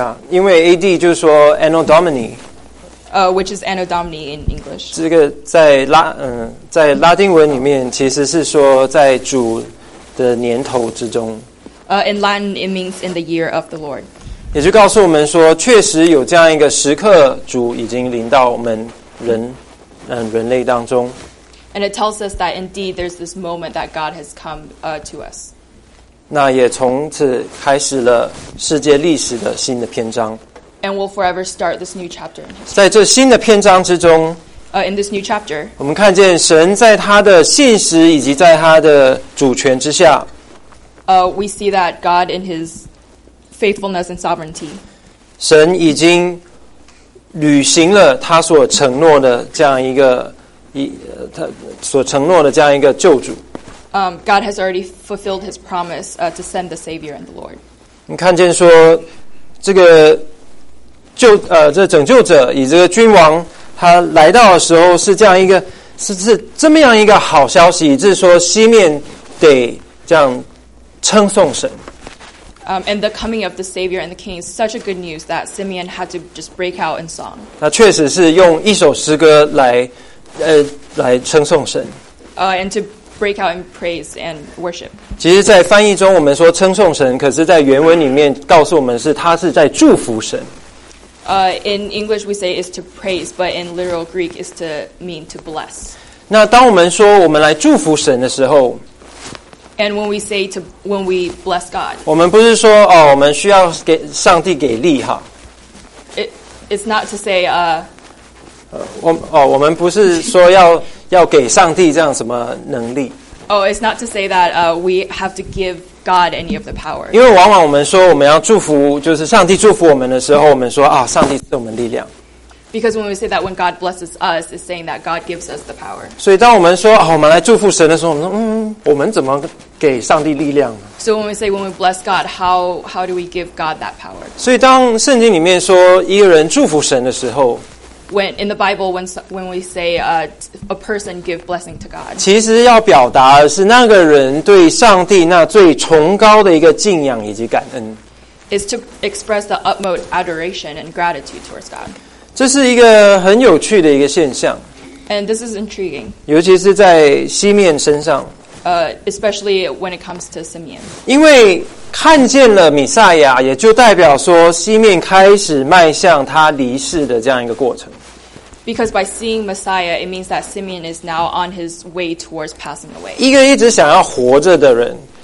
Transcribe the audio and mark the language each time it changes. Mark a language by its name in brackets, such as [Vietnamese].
[Chinese] 因为 AD 就是说 Anno Domini。 [English] Which is Anno Domini in English. [Chinese] 这个在拉丁文里面其实是说在主的年头之中。 [English] In Latin, it means in the year of the Lord. [Chinese] 也就告诉我们说，确实有这样一个时刻，主已经临到我们人类当中。 [English] And it tells us that indeed there's this moment that God has come to us. [Chinese] 那也从此开始了世界历史的新的篇章。 [English] And we'll forever start this new chapter. [Chinese] 在这新的篇章之中 [English] In this new chapter, [Chinese] 我们看见神在他的信实以及在他的主权之下。 [English] We see that God in his faithfulness and sovereignty. [Chinese] 神已经履行了他所承诺的这样一个他所承诺的这样一个救主。 [English] God has already fulfilled his promise to send the Savior and the Lord. [Chinese] 你看见说这个救这拯救者以这个君王。他来到的时候是这样一个是这么样一个好消息，就是说西面得这样称颂神。 [English] And the coming of the Savior and the King is such a good news that Simeon had to just break out in song. [Chinese] 那确实是用一首诗歌来称颂神。 [English] And to break out in praise and worship. [Chinese] 其实，在翻译中我们说称颂神，可是在原文里面告诉我们是他是在祝福神。 [English] In English we say is to praise, but in literal Greek is to mean to bless. [Chinese] 那当我们说我们来祝福神的时候 [English] ，And when we say to when we bless God, [Chinese] 我们不是说哦，我们需要给上帝给力哈。 [English] It's not to say [Chinese] 我们不是说要给上帝这样什么能力。 [English] It's not to say that we have to give God any of the power. [Chinese] 因为往往我们说我们要祝福，就是上帝祝福我们的时候，我们说啊，上帝赐我们力量。 [English] Because when we say that when God blesses us, it's saying that God gives us the power. [Chinese] 所以当我们说啊，我们来祝福神的时候，我们说我们怎么给上帝力量呢 [English] ？So when we say when we bless God, how do we give God that power? [Chinese] 所以当圣经里面说一个人祝福神的时候。 [English] When in the Bible, when we say a person give blessing to God, [Chinese] 其实要表达的是那个人对上帝那最崇高的一个敬仰以及感恩 [English] is to express the utmost adoration and gratitude towards God. [Chinese] 这是一个很有趣的一个现象 [English] and this is intriguing. [Chinese] 尤其是在西面身上 [English] especially when it comes to Simeon. [Chinese] 因为看见了弥赛亚，也就代表说西面开始迈向他离世的这样一个过程。 [English] Because by seeing Messiah, it means that Simeon is now on his way towards passing away. [Chinese] 一个一直想要活着的人。